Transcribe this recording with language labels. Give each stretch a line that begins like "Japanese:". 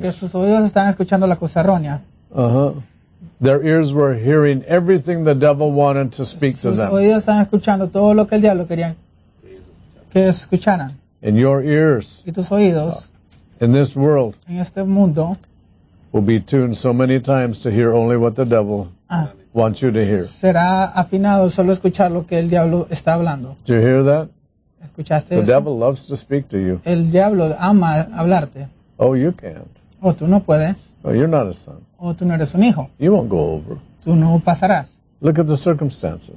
Spanish: Porque sus oídos están escuchando la cosa errónea. Uh-huh.
English: Their ears were hearing everything the devil wanted to speak to them. And your ears
Spanish: y tus oídos
English: in this world
Spanish: en este mundo
English: will be tuned so many times to hear only what the devil wants you to hear.
Spanish: Será afinado solo escuchar lo que el diablo está hablando.
English: Did you hear that?
Spanish: ¿Escuchaste
English: the
Spanish: eso?
English: Devil loves to speak to you.
Spanish: El diablo ama hablarte.
English: Oh, you can't.
Spanish: Oh, tú no puedes.
English: Oh, you're not a son.
Spanish: O tú no eres un hijo.
English: You won't go over.
Spanish: Tú no pasarás.
English: Look at the circumstances.